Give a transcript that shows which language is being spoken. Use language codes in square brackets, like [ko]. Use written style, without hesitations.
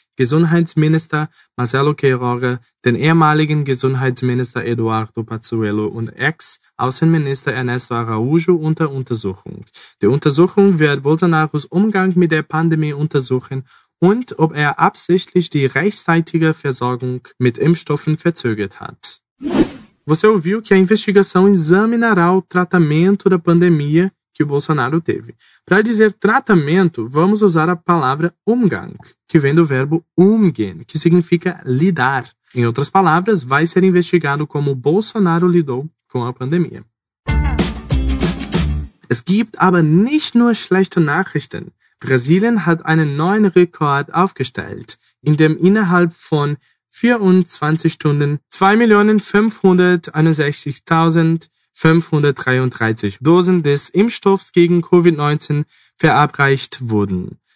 [de] Gesundheitsminister Marcelo Queiroga, den ehemaligen Gesundheitsminister Eduardo Pazuello und Ex-Außenminister Ernesto Araújo unter Untersuchung. Die Untersuchung wird Bolsonaros Umgang mit der Pandemie untersuchen und ob er absichtlich die rechtzeitige Versorgung mit Impfstoffen verzögert hat. [pt] Você ouviu que a investigação examinará o tratamento da pandemia que o Bolsonaro teve. Para dizer tratamento, vamos usar a palavra Umgang, que vem do verbo umgehen, que significa lidar. Em outras palavras, vai ser investigado como Bolsonaro lidou com a pandemia. [de] Es gibt aber nicht nur schlechte Nachrichten. Brasilien hat einen neuen Rekord aufgestellt, in dem innerhalb von 24 Stunden 2.561.533 Dosen des Impfstoffs gegen Covid-19 verabreicht wurden.